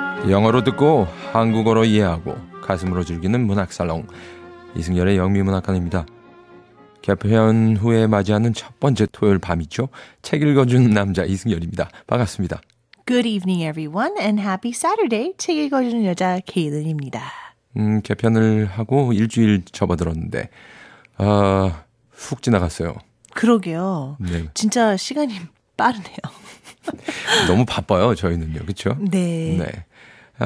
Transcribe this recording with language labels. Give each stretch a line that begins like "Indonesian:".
Korean: 영어로 듣고 한국어로 이해하고 가슴으로 즐기는 문학살롱, 이승열의 영미문학관입니다. 개편 후에 맞이하는 첫 번째 토요일 밤이죠. 책 읽어주는 남자 이승열입니다. 반갑습니다.
English: Good evening, everyone, and happy Saturday.
Korean: 책 읽어주는 여자 케일린입니다. 개편을 하고 일주일 접어들었는데 훅 지나갔어요. 그러게요. 네. 진짜 시간이 빠르네요. 너무 바빠요, 저희는요. 그렇죠? 네. 네.